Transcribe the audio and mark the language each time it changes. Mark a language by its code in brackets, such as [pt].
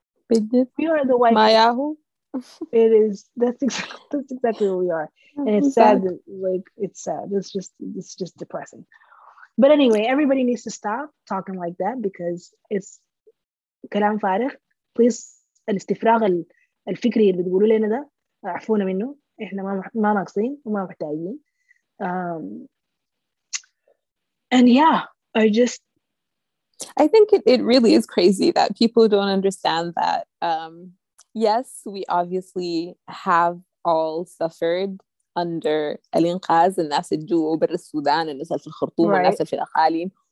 [en] We are the white Mayahu. It is. That's exactly what we are. And it's sad. It's sad. It's just depressing. But anyway, everybody needs to stop talking like that because it's [ar] كلام فارغ. Please, الاستفراغ الفكري اللي بتقولوا لنا ده عفونا منه. إحنا ما ناقصين وما محتاجين. [en] And yeah, I just. I think it really is crazy that people don't understand that. Yes, we obviously have all suffered under Al-Inqaz, and that's in Juba, but in Sudan, and that's in Khartoum, and that's in Al-Akhalin.